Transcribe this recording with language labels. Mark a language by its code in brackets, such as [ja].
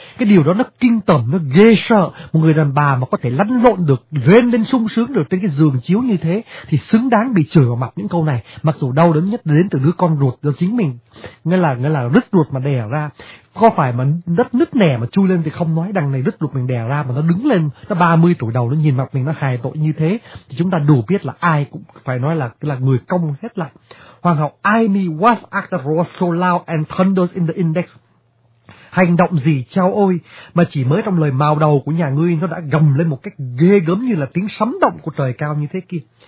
[vi] Cái điều đó nó kinh tởm, nó ghê sợ. Một người đàn bà mà có thể lăn lộn được, rên lên sung sướng được trên cái giường chiếu như thế thì xứng đáng bị chửi vào mặt những câu này, mặc dù đau đớn nhất đến từ đứa con ruột do chính mình nghĩa là rứt ruột mà đẻ ra. Có phải mà đất nứt nẻ mà chui lên thì không nói, đằng này đứt ruột mình đẻ ra mà nó đứng lên, nó 30 tuổi đầu nó nhìn mặt mình nó hài tội như thế, thì chúng ta đủ biết là ai cũng phải nói là người công hết lại. Hoàng hậu, [en] I mean, what act that roars so loud and thunders in the index? [vi] Hành động gì, chao ôi, mà chỉ mới trong lời mào đầu của nhà ngươi nó đã gầm lên một cách ghê gớm như là tiếng sấm động của trời cao như thế kia.